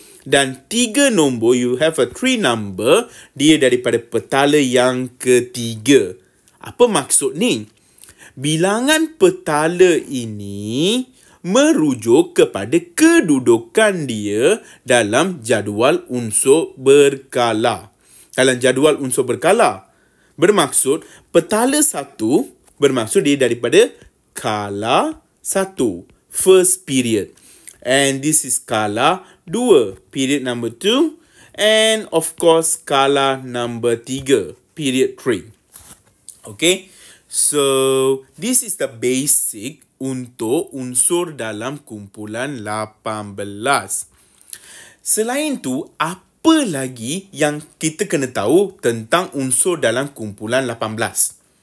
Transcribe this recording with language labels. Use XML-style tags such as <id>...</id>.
<ms>Dan tiga nombor,</ms> <en>you have a three number.</en> <ms>Dia daripada petala yang ketiga. Apa maksud ni? Bilangan petala ini merujuk kepada kedudukan dia dalam jadual unsur berkala. Dalam jadual unsur berkala. Bermaksud, petala satu bermaksud dia daripada kala satu,</ms> <en>first period. And this is</en> <ms>kala dua,</ms> <en>period number two. And of course, kala number tiga, period three. Okay, so this is the basic</en> <ms>untuk unsur dalam kumpulan 18. Selain tu, apa lagi yang kita kena tahu tentang unsur dalam kumpulan 18?</ms>